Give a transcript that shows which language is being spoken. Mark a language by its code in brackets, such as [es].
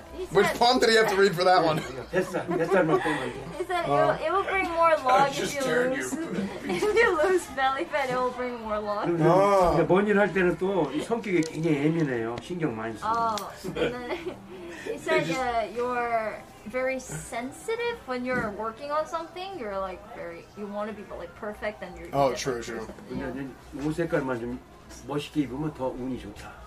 [en] Which palm did he have to read for that one? He said it will bring more log if you lose. If you lose belly fat, it will bring more log. No. [ko] 근데 뭔 일 할 때는 또 성격이 굉장히 예민해요. 신경 많이 써. [en] He said you're very sensitive when you're working on something. You're like very. You want to be like perfect, and you're. Oh, true, true. [ko] 근데 옷 색깔만 좀 멋있게 입으면 더 운이 좋다.